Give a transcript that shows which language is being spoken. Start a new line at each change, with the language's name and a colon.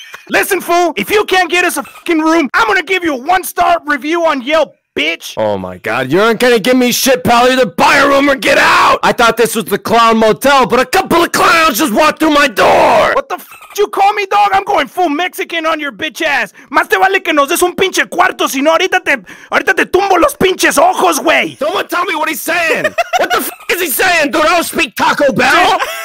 English: Listen, fool, if you can't get us a fucking room, I'm gonna give you a 1-star review on Yelp. Bitch! Oh my god, you aren't gonna give me shit, pal. Either buy a room or get out! I thought this was the Clown Motel, but a couple of clowns just walked through my door! What the f did you call me, dog? I'm going full Mexican on your bitch ass!
Spanish: Más te vale que nos des un pinche cuarto, sino ahorita te tumbo los pinches ojos, güey!
English: Someone tell me what he's saying! What the f is he saying, dude? I don't speak Taco Bell!